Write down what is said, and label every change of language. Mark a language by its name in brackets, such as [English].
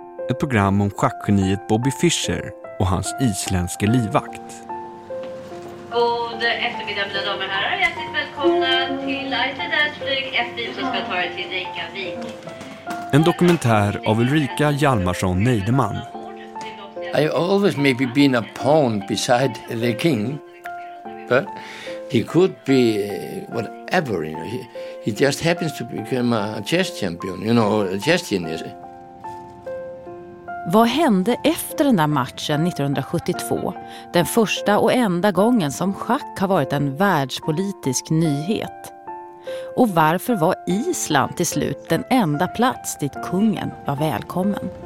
[Swedish] Ett program om schackgeniet Bobby Fischer och hans isländske livvakt. God eftermiddag mina damer och herrar. Hjärtligt välkomna till Iceland Flyg FI som ska ta er till Reykjavik. En dokumentär av Ulrika Hjalmarsson Neideman. [English] I always maybe been a pawn beside the king, but he could be whatever, you know. He just happens to become a chess champion, you know, a chess genius. [Swedish] Vad hände efter den där matchen 1972? Den första och enda gången som schack har varit en världspolitisk nyhet. Och varför var Island till slut den enda plats dit kungen var välkommen?